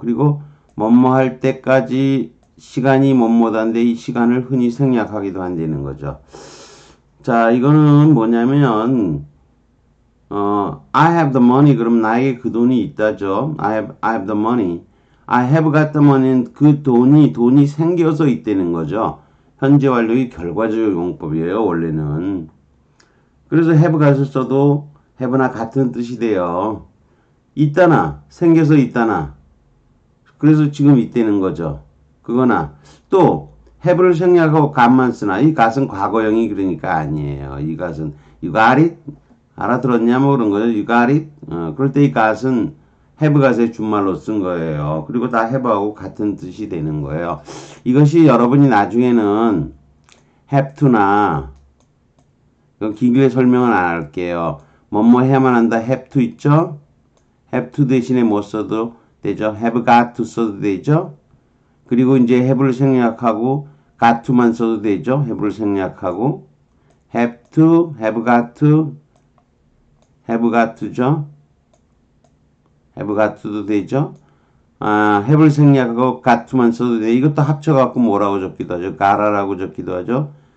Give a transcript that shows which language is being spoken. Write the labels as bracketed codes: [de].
[ko] 그리고, 뭐뭐 할 때까지 시간이 뭇뭇한데 이 시간을 흔히 생략하기도 한다는 거죠. 자, 이거는 뭐냐면, [en] I have the money. [ko] 그럼 나에게 그 돈이 있다죠. [en] I have the money. I have got the money. [ko] 그 돈이 생겨서 있다는 거죠. 현재 완료의 결과적 용법이에요, 원래는. 그래서 have got을 써도 have나 같은 뜻이 돼요. 있다나, 생겨서 있다나. 그래서 지금 있다는 거죠. 그거나. 또, have를 생략하고 got만 쓰나. 이 got은 과거형이 그러니까 아니에요. 이 got은, [en] you got it? [ko] 알아들었냐고 그런 거죠. [en] You got it? [ko] 그럴 때이 got은 have got의 준말로 쓴 거예요. 그리고 다 have하고 같은 뜻이 되는 거예요. 이것이 여러분이 나중에는 have to나 길게 설명은 안 할게요. 뭐뭐 해야만 한다. have to 있죠? have to 대신에 못 써도 되죠. have got to 써도 되죠? 그리고 이제 have를 생략하고 got to만 써도 되죠. have를 생략하고 have to, have got to, have got to죠? have got to도 되죠? 아, have을 생략하고 got to만 써도 돼. 이것도 합쳐갖고 뭐라고 적기도 하죠? gotta라고 적기도 하죠?